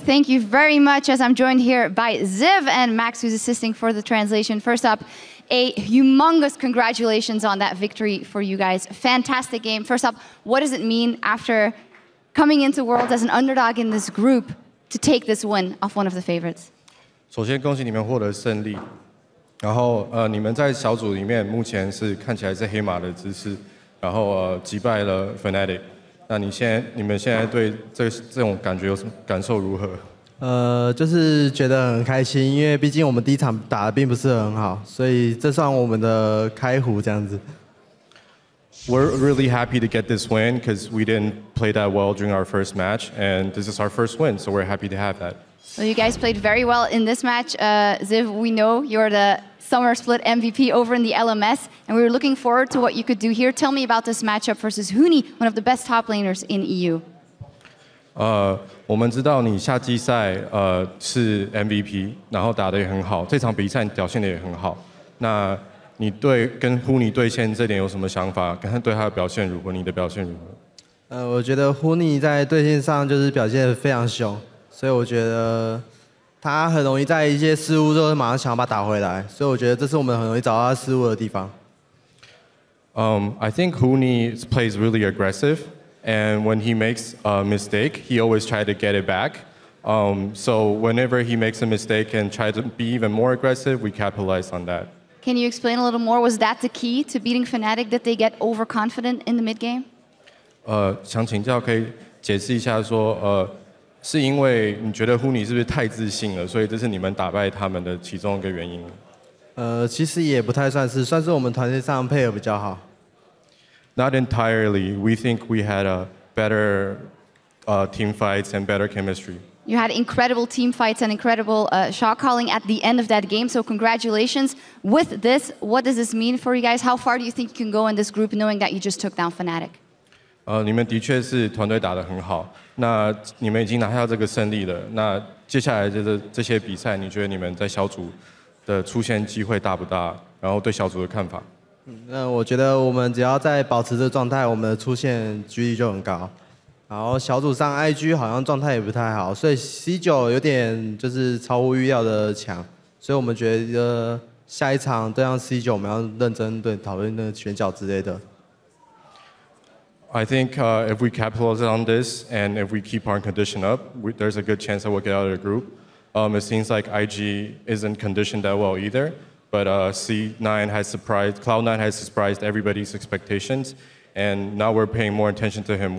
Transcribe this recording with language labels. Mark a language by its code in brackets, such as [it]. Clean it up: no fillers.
[en] Thank you very much, as I'm joined here by Ziv and Max, who's assisting for the translation. First up, a humongous congratulations on that victory for you guys. Fantastic game. First up, what does it mean after coming into Worlds as an underdog in this group to take this win off one of the favorites? [zh] 首先恭喜你们获得胜利。然后你们在小组里面目前是看起来是黑马的姿势，然后击败了 Fnatic， 那你现在对这种感觉有什么感受如何？就是觉得很开心，因为毕竟我们第一场打的并不是很好，所以这算我们的开壶这样子。 [en] We're really happy to get this win because we didn't play that well during our first match, and this is our first win, so we're happy to have that. So you guys played very well in this match. Ziv, we know you're the Summer Split MVP over in the LMS, and we were looking forward to what you could do here. Tell me about this matchup versus Huni, one of the best top laners in EU. [zh] 我们知道你夏季赛是 MVP， 然后打得也很好，这场比赛表现得也很好。那你对跟 Huni 对线这点有什么想法？跟他对他的表现如何？你的表现如何？我觉得 Huni 在对线上就是表现得非常凶，所以我觉得他很容易在一些失误之后马上想要把打回来，所以我觉得这是我们很容易找到他失误的地方。 [en] I think Huni plays really aggressive. And when he makes a mistake, he always tries to get it back. So whenever he makes a mistake and tries to be even more aggressive, we capitalize on that. Can you explain a little more? Was that the key to beating Fnatic, that they get overconfident in the mid-game? [zh] 想请教可以解释一下说，是因为你觉得 Huni 是不是太自信了，所以这是你们打败他们的其中一个原因？其实也不太算是，算是我们团队上配合比较好。 [en] Not entirely. We think we had a better team fights and better chemistry. You had incredible team fights and incredible shot calling at the end of that game. So congratulations. With this, what does this mean for you guys? How far do you think you can go in this group knowing that you just took down Fnatic? [zh] 你们的确是团队打得很好。那你们已经拿下这个胜利了。那接下来就是这些比赛，你觉得你们在小组的出线机会大不大？然后对小组的看法？我觉得我们只要在保持这状态，我们的出线几率就很高。然后小组上 IG 好像状态也不太好，所以 C9 有点就是超乎预料的强，所以我们觉得下一场对上 C9 我们要认真对讨论那个选角之类的。 [en] I think if we capitalize on this and if we keep our condition up, there's a good chance that we'll get out of the group. It seems like IG isn't conditioned that well either. But Cloud9 has surprised everybody's expectations, and now we're paying more attention to him.